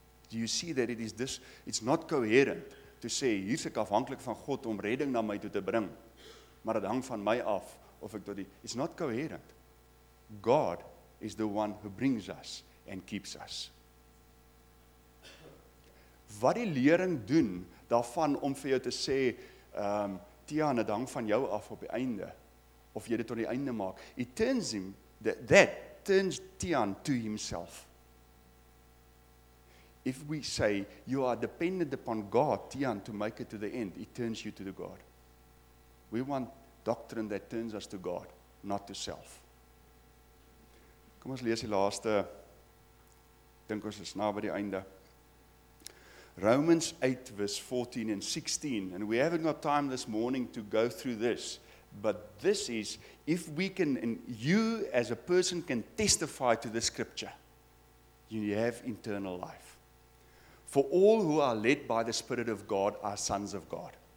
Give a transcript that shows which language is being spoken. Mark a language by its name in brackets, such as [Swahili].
[English] Do you see that it's not coherent to say, [Afrikaans] hier's ek afhanklik van God om redding na my toe te bring, maar dit hang van my af, of ek tot die, [English] it's not coherent. God is the one who brings us and keeps us. [Afrikaans] Wat die lering doen, daarvan om vir jou te sê, Tiaan, het hang van jou af op die einde, of jy dit tot die einde maak, [English] it turns him, that turns Tiaan to himself. If we say, you are dependent upon God, Tiaan, to make it to the end, it turns you to the God. We want doctrine that turns us to God, not to self. [Afrikaans] Kom ons lees die laaste, ek dink ons is na by die einde. [English] Romans 8 verse 14 and 16, and we haven't got time this morning to go through this, but this is, if we can, and you as a person can testify to the scripture, you have internal life. For all who are led by the Spirit of God are sons of God.